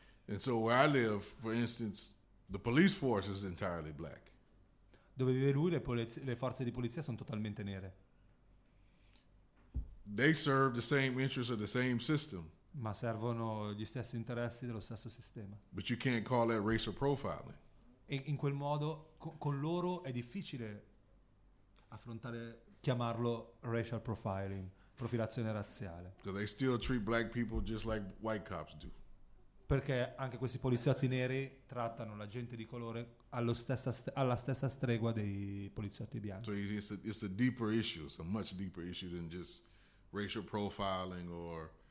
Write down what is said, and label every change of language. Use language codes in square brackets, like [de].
[en] And so where I live, for instance, the police force is entirely black. [it] Dove vive lui, le forze di polizia sono totalmente nere. [en] They serve the same interests of the same system. [it] Ma servono gli stessi interessi dello stesso sistema. [en] But you can't call that racial profiling. [it] E in quel modo con loro è difficile affrontare, chiamarlo racial profiling, profilazione razziale. [en] Because they still treat black people just like white cops do. [it] Perché anche questi poliziotti neri trattano la gente di colore alla stessa stregua dei poliziotti bianchi. [en] So it's a deeper issue, it's a much deeper issue than just racial profiling or